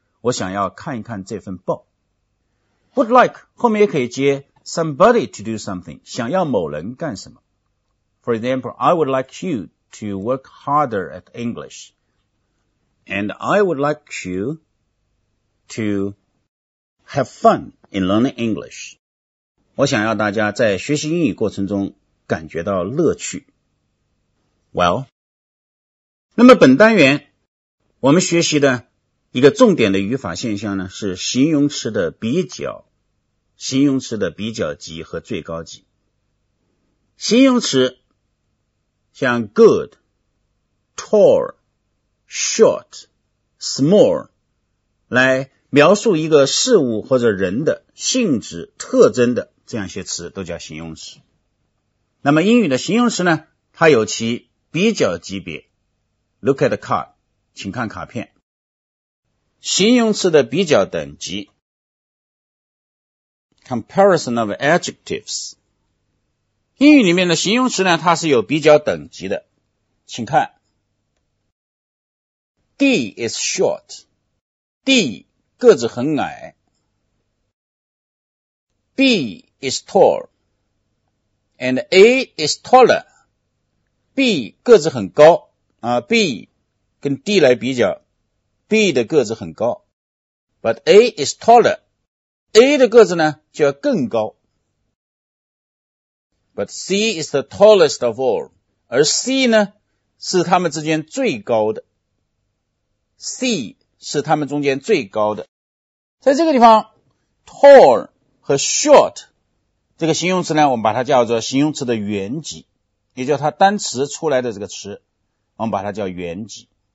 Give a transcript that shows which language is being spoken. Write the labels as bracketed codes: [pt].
[zh] 我想要看一看这份报。 Would like 后面也可以接 [en] somebody to do something, [zh] 想要某人干什么。 [en] For example, I would like you to work harder at English. And I would like you... to have fun in learning English. [zh] 我想要大家在学习英语过程中感觉到乐趣。 Well, 那么本单元我们学习的一个重点的语法现象呢是形容词的比较，形容词的比较级和最高级。形容词像 good, tall, short, small, 来描述一个事物或者人的性质特征的这样一些词都叫形容词。那么英语的形容词呢，它有其比较级别。 [en] Look at the card, [zh] 请看卡片。形容词的比较等级。 [en] Comparison of adjectives。 [zh] 英语里面的形容词呢，它是有比较等级的。请看。 [en] D is short. D. [zh] 个子很矮。 [en] B is tall. And A is taller. [zh] B 个子很高。B 跟 D 来比较。 B 的个子很高。 [en] But A is taller. [zh] A 的个子呢就要更高。 [en] But C is the tallest of all. [zh] 而 C 呢是他们之间最高的。C 是他们中间最高的。在这个地方 tall 和 short 这个形容词呢，我们把它叫做形容词的原级，也就是它单词出来的这个词，我们把它叫原级。